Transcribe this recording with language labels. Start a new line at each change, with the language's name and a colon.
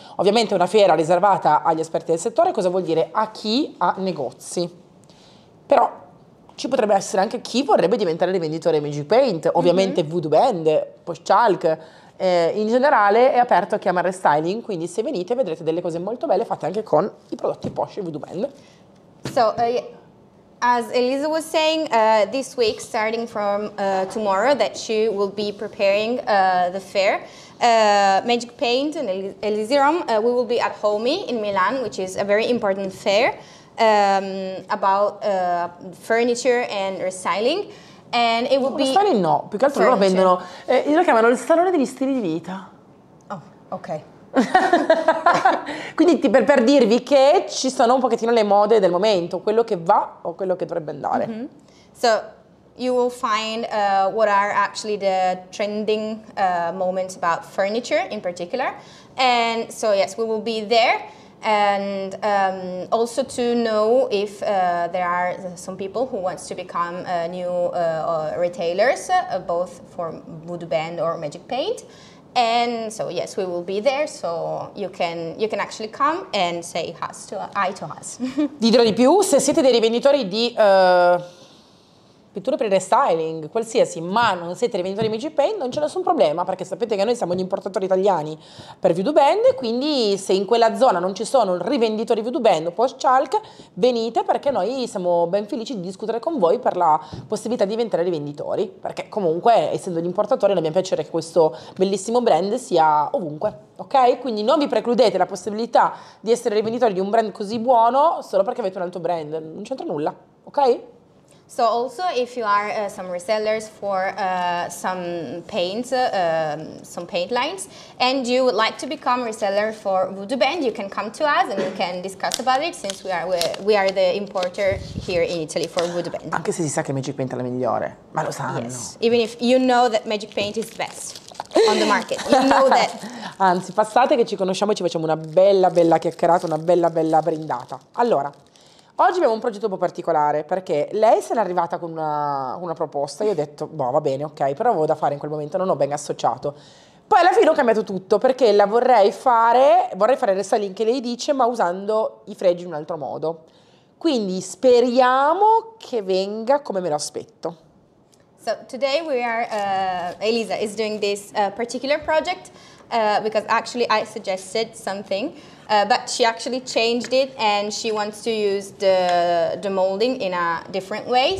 Italian: Ovviamente è una fiera riservata agli esperti del settore, cosa vuol dire? A chi ha negozi. Però ci potrebbe essere anche chi vorrebbe diventare rivenditore MG Paint, ovviamente Voodoo Band, Postchalk. In generale è aperto a chi ama il restyling, quindi se venite vedrete delle cose molto belle fatte anche con i prodotti Posh e Voodoo Band.
English: So, as Elisa was saying, this week, starting from tomorrow, that she will be preparing the fair, Magic Paint and Elysium, we will be at Homey in Milan, which is a very important fair about furniture and restyling. And it will no, be
Italian: no, più che altro furniture. Loro vendono, lo chiamano il salone degli stili di vita. Oh, ok. Quindi per dirvi che ci sono un pochettino le mode del momento, quello che va o quello che dovrebbe andare. Mm-hmm.
English: So you will find what are actually the trending moments about furniture in particular. And so yes, we will be there. And also to know if there are some people who wants to become new retailers, both for Voodoo Band or Magic Paint. And so yes, we will be there, so you can actually come and say hi to us.
Italian: Vi dirò di più, se siete dei rivenditori di pitture per il restyling, qualsiasi, ma non siete rivenditori di Magic Paint, non c'è nessun problema, perché sapete che noi siamo gli importatori italiani per Voodoo Band, quindi se in quella zona non ci sono rivenditori Voodoo Band o Postchalk, venite, perché noi siamo ben felici di discutere con voi per la possibilità di diventare rivenditori, perché comunque, essendo gli importatori, non abbiamo piacere che questo bellissimo brand sia ovunque, ok? Quindi non vi precludete la possibilità di essere rivenditori di un brand così buono solo perché avete un altro brand, non c'entra nulla, ok?
English: So also if you are some resellers for some paint lines and you would like to become reseller for Voodoo Band, you can come to us and we can discuss about it since we are the importer here in Italy for Voodoo Band.
Italian: Anche se si sa che Magic Paint è la migliore, ma lo sanno.
English: Yes, even if you know that Magic Paint is best on the market, you know that.
Italian: Anzi, passate che ci conosciamo e ci facciamo una bella bella chiacchierata, una bella bella brindata. Allora, oggi abbiamo un progetto un po' particolare, perché lei se l'è arrivata con una proposta, io ho detto, boh, va bene, ok, però avevo da fare in quel momento, non ho ben associato. Poi alla fine ho cambiato tutto, perché la vorrei fare il restyling che lei dice, ma usando i fregi in un altro modo. Quindi speriamo che venga come me lo aspetto.
English: So, today we are, Elisa is doing this particular project, because actually I suggested something. But she actually changed it and she wants to use the molding in a different way.